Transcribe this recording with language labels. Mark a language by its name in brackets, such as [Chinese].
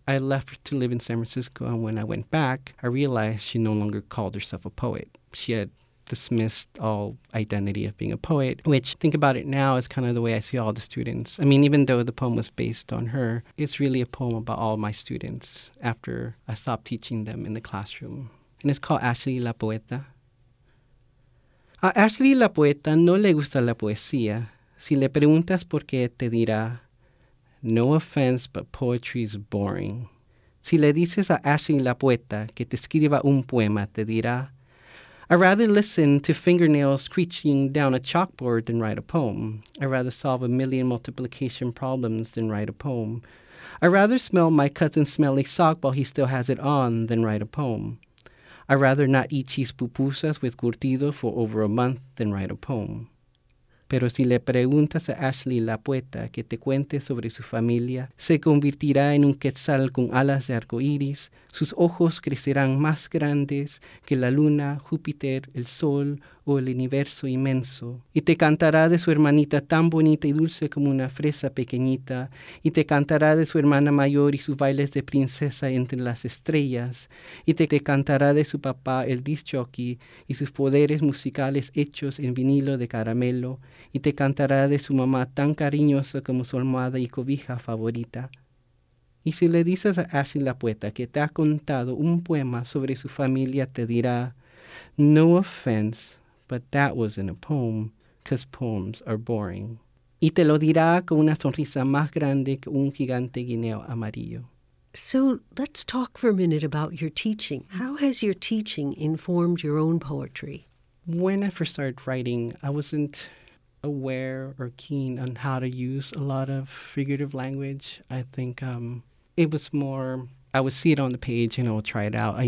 [English] I left to live in San Francisco, and when I went back, I realized she no longer called herself a poet. She had dismissed all identity of being a poet, which, think about it now, is kind of the way I see all the students. I mean, even though the poem was based on her, it's really a poem about all my students after I stopped teaching them in the classroom. And it's called Ashley La Poeta. [Spanish] A Ashley La Poeta no le gusta la poesía. Si le preguntas por qué, te dirá, [English] no offense, but poetry's boring. [Spanish] Si le dices a Ashley La Poeta que te escriba un poema, te dirá, [English] I'd rather listen to fingernails screeching down a chalkboard than write a poem. I'd rather solve a million multiplication problems than write a poem. I'd rather smell my cousin's smelly sock while he still has it on than write a poem. I'd rather not eat cheese pupusas with curtido for over a month than write a poem. [Spanish] Pero si le preguntas a Ashley La Poeta que te cuente sobre su familia, se convertirá en un quetzal con alas de arco iris, sus ojos crecerán más grandes que la luna, Júpiter, el sol o el universo inmenso, y te cantará de su hermanita tan bonita y dulce como una fresa pequeñita, y te cantará de su hermana mayor y sus bailes de princesa entre las estrellas, y te cantará de su papá el disc jockey y sus poderes musicales hechos en vinilo de caramelo, y te cantará de su mamá tan cariñosa como su almohada y cobija favorita. Y si le dices a Ashley La Poeta que te ha contado un poema sobre su familia, te dirá, [English] no offense, but that wasn't a poem, because poems are boring. [Spanish] Y te lo dirá con una sonrisa más grande que un gigante guineo amarillo. [English] So let's talk for a minute about your teaching. How has your teaching informed your own poetry? When I first started writing, I wasn't aware or keen on how to use a lot of figurative language. I think it was more, I would see it on the page and I would try it out.